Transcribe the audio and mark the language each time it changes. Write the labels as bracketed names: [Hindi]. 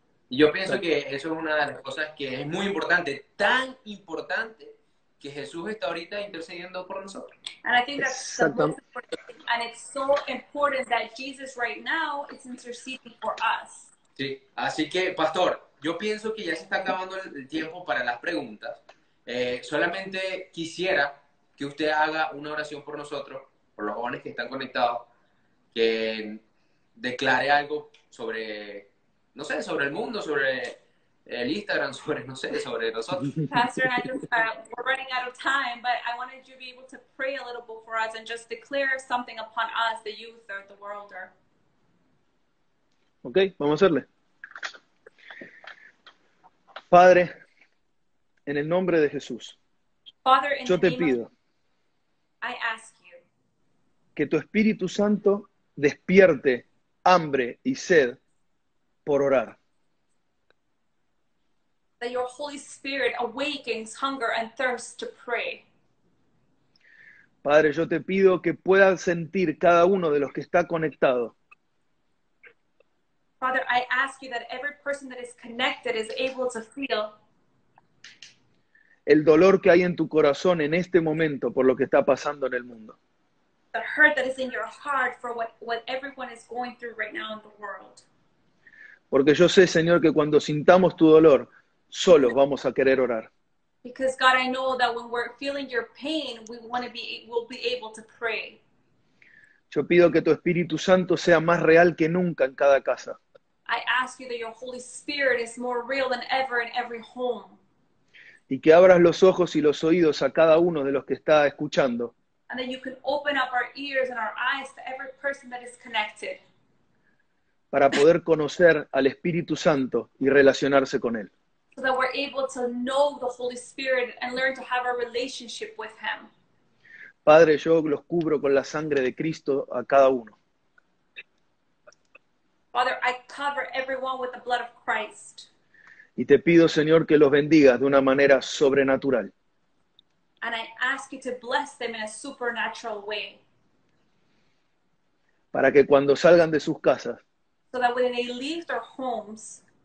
[Spanish] Yo pienso que eso es una de las cosas que es muy importante, tan importante que Jesús está ahorita intercediendo por nosotros. [English] And I think that's the most important thing, and it's so important that Jesus right now is interceding for us. [Spanish] Sí, así que, pastor, yo pienso que ya se está acabando el tiempo para las preguntas. Solamente quisiera que usted haga una oración por nosotros, por los jóvenes que están conectados, que declare algo sobre, no sé, sobre el mundo, sobre el Instagram, sobre, no sé, sobre nosotros. [English] Pastor, we're running out of time, but I wanted you to be able to pray a little before us and just declare something upon us, the youth or the world. Or... [Spanish] Okay, vamos a hacerle. Padre, en el nombre de Jesús, [English] Father, [Spanish] yo te pido que tu Espíritu Santo despierte hambre y sed por orar. [English] That your Holy Spirit awakens hunger and thirst to pray. [Spanish] Padre, yo te pido que puedan sentir cada uno de los que está conectado. [English] Father, I ask you that every person that is connected is able to feel [Spanish] el dolor que hay en tu corazón en este momento por lo que está pasando en el mundo. [English] The hurt that is in your heart for what everyone is going through right now in the world. [Spanish] Porque yo sé, Señor, que cuando sintamos tu dolor, solo vamos a querer orar. [English] Because God, I know that when we're feeling your pain, we'll be able to pray. [Spanish] Yo pido que tu Espíritu Santo sea más real que nunca en cada casa. [English] I ask you that your Holy Spirit is more real than ever in every home. [Spanish] Y que abras los ojos y los oídos a cada uno de los que está escuchando. [English] And that you can open up our ears and our eyes to every person that is connected. [Spanish] Para poder conocer al Espíritu Santo y relacionarse con él. [English] So that we're able to know the Holy Spirit and learn to have a relationship with him. [Spanish] Padre, yo los cubro con la sangre de Cristo a cada uno. [English] Father, I cover everyone with the blood of Christ. [Spanish] Y te pido, Señor, que los bendigas de una manera sobrenatural. [English] And I ask you to bless them in a supernatural way. [Spanish] Para que cuando salgan de sus casas, [English] so that when they leave their homes,